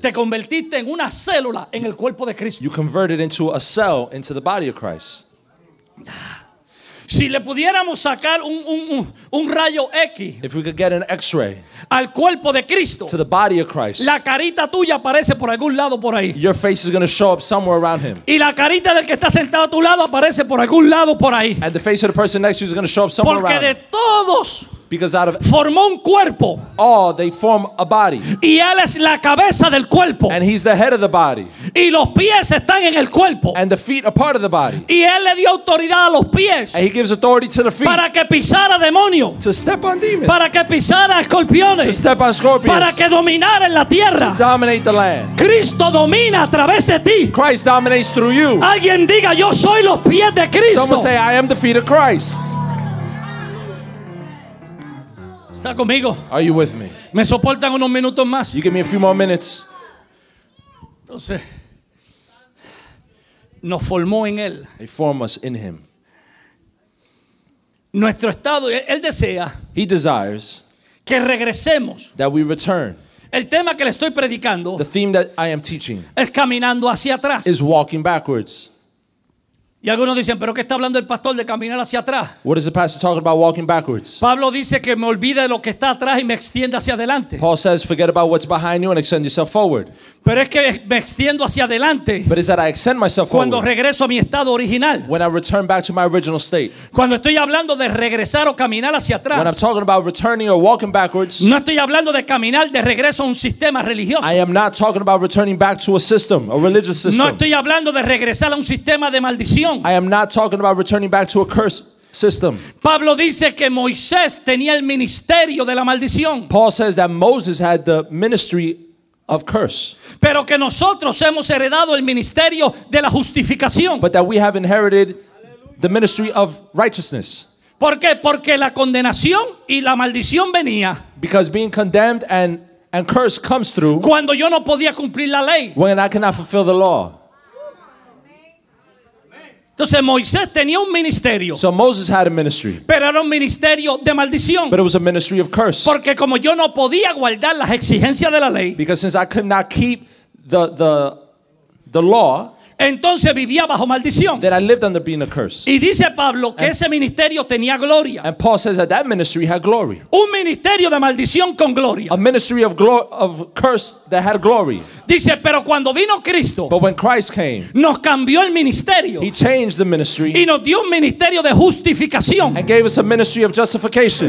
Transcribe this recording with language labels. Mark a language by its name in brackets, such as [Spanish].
[Spanish] Te convertiste en una célula en el cuerpo de Cristo. [English] You converted into a cell into the body of Christ. [Spanish] Si le pudiéramos sacar un rayo X, [English] if we could get an X-ray, [Spanish] al cuerpo de Cristo, [English] to the body of Christ, [Spanish] la carita tuya aparece por algún lado por ahí. [English] Your face is going to show up somewhere around him. [Spanish] Y la carita del que está sentado a tu lado aparece por algún lado por ahí. [English] And the face of the person next to you is going to show up somewhere [Spanish] Porque [English] around. [Spanish] Porque de todos, [English] because out of, [Spanish] formó un cuerpo. [English] Oh, they form a body. [Spanish] Y él es la cabeza del cuerpo. [English] And he's the head of the body. [Spanish] Y los pies están en el cuerpo. [English] And the feet are part of the body. [Spanish] Y él le dio autoridad a los pies. [English] And he gives authority to the feet. [Spanish] Para que pisara demonio. [English] To step on demons. [Spanish] Para que pisara escorpiones. [English] To step on scorpions. [Spanish] Para que dominara en la tierra. [English] To dominate the land. [Spanish] Cristo domina a través de ti. [English] Christ dominates through you. [Spanish] Alguien diga, yo soy los pies de Cristo. [English] Someone say, I am the feet of Christ. [Spanish] ¿Está conmigo? [English] Are you with me? [Spanish] ¿Me soportan unos minutos más? [English] You give me a few more minutes. [Spanish] Entonces, nos formó en él. [English] He formed us in him. [Spanish] Nuestro estado, él desea. [English] He desires [Spanish] que regresemos. [English] That we return. [Spanish] El tema que le estoy predicando, [English] the theme that I am teaching, [Spanish] es caminando hacia atrás. [English] Is walking backwards. [Spanish] Y algunos dicen, ¿pero qué está hablando el pastor de caminar hacia atrás? [English] What is the pastor talking about walking backwards? [Spanish] Pablo dice que me olvide de lo que está atrás y me extienda hacia adelante. [English] Paul says, forget about what's behind you and extend yourself forward. [Spanish] Pero es que me extiendo hacia adelante. [English] But it's that I extend myself [Spanish] cuando [English] forward. [Spanish] Regreso a mi estado original. [English] When I return back to my original state. [Spanish] Cuando estoy hablando de regresar o caminar hacia atrás. [English] When I'm talking about returning or walking backwards. [Spanish] No estoy hablando de caminar de regreso a un sistema religioso. [English] I am not talking about returning back to a system, a religious system. [Spanish] No estoy hablando de regresar a un sistema de maldición. [English] I am not talking about returning back to a curse system. [Spanish] Pablo dice que Moisés tenía el ministerio de la maldición. [English] Paul says that Moses had the ministry of curse. [Spanish] Pero que nosotros hemos heredado el ministerio de la justificación. [English] But that we have inherited the ministry of righteousness. [Spanish] ¿Por qué? Porque la condenación y la maldición venía. [English] Because being condemned and cursed comes through. [Spanish] Cuando yo no podía cumplir la ley. [English] When I cannot fulfill the law. [Spanish] Entonces Moisés tenía un ministerio. [English] So Moses had a ministry. [Spanish] Pero era un ministerio de maldición. [English] But it was a ministry of curse. [Spanish] Porque como yo no podía guardar las exigencias de la ley. [English] Because since I could not keep the law. [Spanish] Entonces vivía bajo maldición. [English] That I lived under being a curse. [Spanish] Y dice Pablo que ese ministerio tenía gloria. [English] And Paul says that that ministry had glory. [Spanish] Un ministerio de maldición con gloria. [English] A ministry of curse that had glory. [Spanish] Dice, pero cuando vino Cristo, [English] but when Christ came, [Spanish] nos cambió el ministerio. [English] He changed the ministry. [Spanish] Y nos dio un ministerio de justificación. [English] And gave us a ministry of justification.